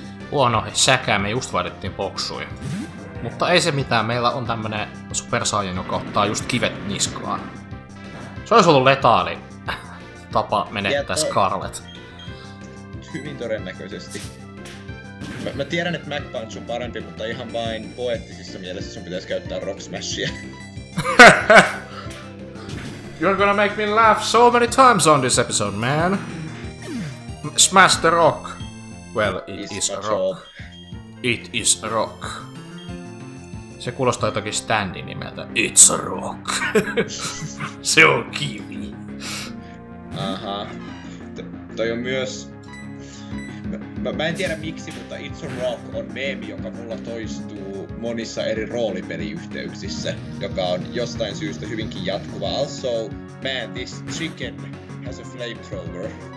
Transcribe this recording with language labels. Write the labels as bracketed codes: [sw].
[fi] Huono, säkää, me just vaihdettiin boksuja. Mutta ei se mitään, meillä on tämmönen supersaajan, joka ottaa just kivet niskaan. Se olisi ollut letaali tapa menettää Scarlet. Hyvin todennäköisesti. Mä tiedän, että Mac Punch on parempi, mutta ihan vain poettisissa mielessä sun pitäisi käyttää Rock Smashia. [en] You're gonna make me laugh so many times on this episode, man. Smash the rock. Well, it is a rock. It is a rock. [fi] Se kuulostaa jotakin standin nimeltä. [en] It's a rock. [fi] Se on kivi. Aha. Toi on myös... Mä en tiedä miksi, mutta It's a Rock on meemi, joka mulla toistuu monissa eri roolipeliyhteyksissä, joka on jostain syystä hyvinkin jatkuva. [en] Also, man, this chicken has a flamethrower.